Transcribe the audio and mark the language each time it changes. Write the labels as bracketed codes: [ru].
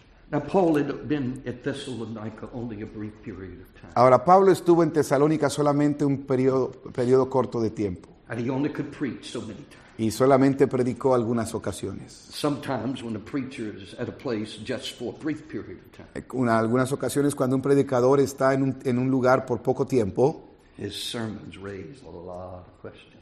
[en] Now Paul had been at Thessalonica only a brief period of time. [es] Ahora Pablo estuvo en Tesalónica solamente un periodo corto de tiempo. [en] And he only could preach so many times. [es] Y solamente predicó algunas ocasiones. [en] Sometimes when a preacher is at a place just for a brief period of time. [es] En algunas ocasiones cuando un predicador está en un lugar por poco tiempo, [en] his sermons raise a lot of questions.